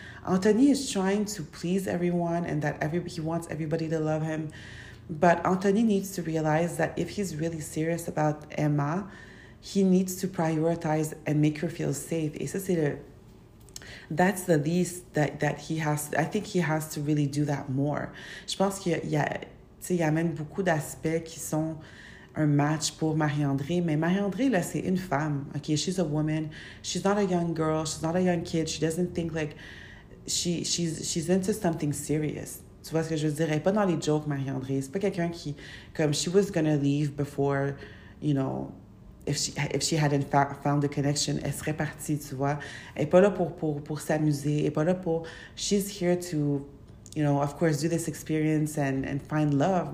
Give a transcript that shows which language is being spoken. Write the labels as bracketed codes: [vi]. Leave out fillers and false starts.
[en] Anthony is trying to please everyone and that he wants everybody to love him. But Anthony needs to realize that if he's really serious about Emma, he needs to prioritize and make her feel safe. [fr] Et ça, c'est le... [en] That's the least that he has... I think he has to really do that more. [fr] Je pense qu'il y a même beaucoup d'aspects qui sont un match pour Marie-André. Mais Marie-André, là, c'est une femme. [en] Okay, she's a woman. She's not a young girl. She's not a young kid. She doesn't think like... She's into something serious. [fr] Tu vois ce que je veux dire? Elle est pas dans les jokes, Marie-André. C'est pas quelqu'un qui... [en] Comme, she was gonna leave before, you know, if she hadn't found a connection, [fr] elle serait partie, tu vois? Elle est pas là pour [en] s'amuser. Elle est pas là pour... She's here to, you know, of course, do this experience and find love.